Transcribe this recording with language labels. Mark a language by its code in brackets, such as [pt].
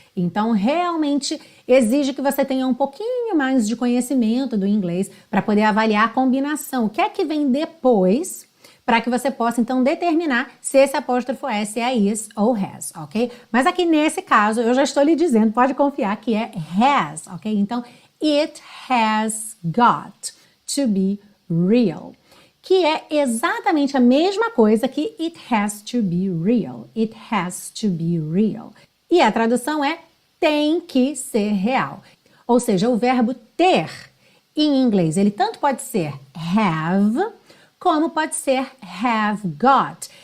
[pt] Então, realmente exige que você tenha um pouquinho mais de conhecimento do inglês para poder avaliar a combinação. O que é que vem depois para que você possa, então, determinar se esse apóstrofo S é is ou has, ok? Mas aqui nesse caso, eu já estou lhe dizendo, pode confiar que é has, ok? Então, [en] it has got to be real. [pt] Que é exatamente a mesma coisa que [en] it has to be real. It has to be real. [pt] E a tradução é tem que ser real. Ou seja, o verbo ter em inglês, ele tanto pode ser have, como pode ser have got.